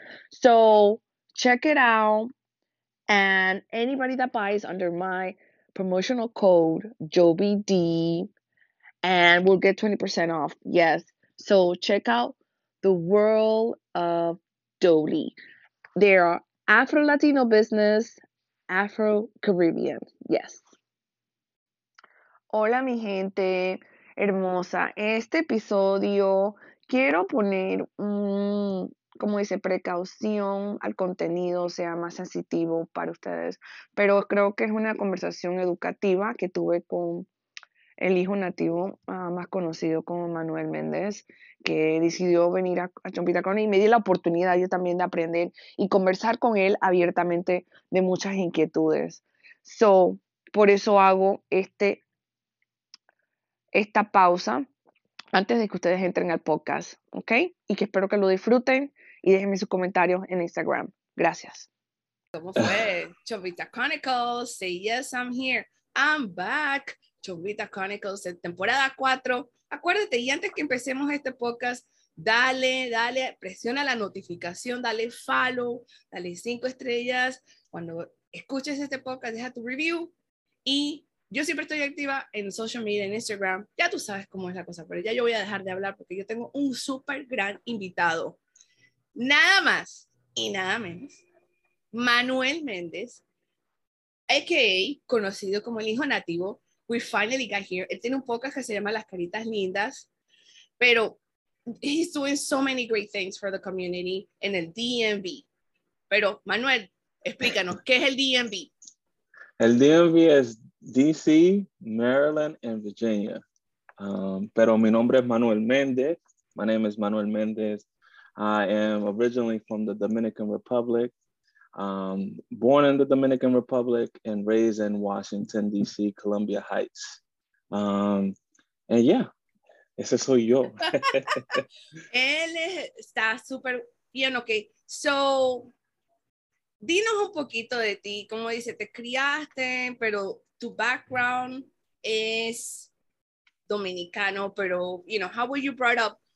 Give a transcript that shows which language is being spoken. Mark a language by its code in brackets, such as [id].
[en] So check it out. And anybody that buys under my promotional code JOBYD and we'll get 20% off. Yes. So check out the World of Doli. They are Afro Latino business, Afro Caribbean. Yes. [es] Hola, mi gente hermosa. Este episodio quiero poner, como dice, precaución al contenido, sea más sensitivo para ustedes. Pero creo que es una conversación educativa que tuve con el hijo nativo, más conocido como Manuel Méndez, que decidió venir a Chompita Corona y me di la oportunidad yo también de aprender y conversar con él abiertamente de muchas inquietudes. So, por eso hago esta pausa antes de que ustedes entren al podcast, ¿ok? Y que espero que lo disfruten y déjenme sus comentarios en Instagram. Gracias. ¿Cómo fue? [en] Chompita Chronicles, say yes, I'm here. I'm back. Chumbita Chronicles [es] de temporada 4. Acuérdate, y antes que empecemos este podcast, dale, presiona la notificación, dale follow, dale 5 estrellas. Cuando escuches este podcast, deja tu review. Y yo siempre estoy activa en social media, en Instagram. Ya tú sabes cómo es la cosa, pero ya yo voy a dejar de hablar porque yo tengo un súper gran invitado. Nada más y nada menos, Manuel Méndez, a.k.a. conocido como el hijo nativo. [en] We finally got here. [es] Él tiene un podcast que se llama Las Caritas Lindas, pero [en] he's doing so many great things for the community [es] en el DMV. Pero Manuel, explícanos, ¿qué es el DMV? El DMV es DC, Maryland y Virginia. Pero mi nombre es Manuel Méndez. [en] My name is Manuel Méndez. I am originally from the Dominican Republic. Born in the Dominican Republic and raised in Washington, D.C., Columbia Heights. And yeah, [es] ese soy yo. Él está súper bien, ok. So, dinos un poquito de ti, como dice, te criaste, pero tu background es dominicano, pero, [en] how were you brought up?